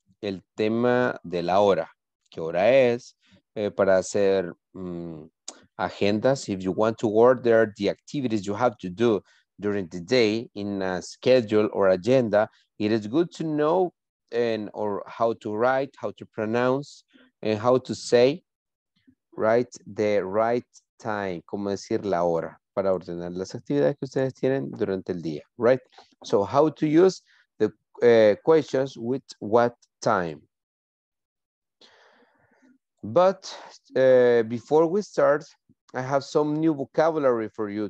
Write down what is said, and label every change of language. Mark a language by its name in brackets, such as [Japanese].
[Spanish] El tema de la hora. ¿Qué hora es? Para hacer agendas. [English] If you want to order the activities you have to do during the day in a schedule or agenda, it is good to know or how to write, how to pronounce, and how to say, right, the right time. [Spanish] ¿Cómo decir la hora para ordenar las actividades que ustedes tienen durante el día, right? [English] So how to use the questions with what time. But before we start, I have some new vocabulary for you.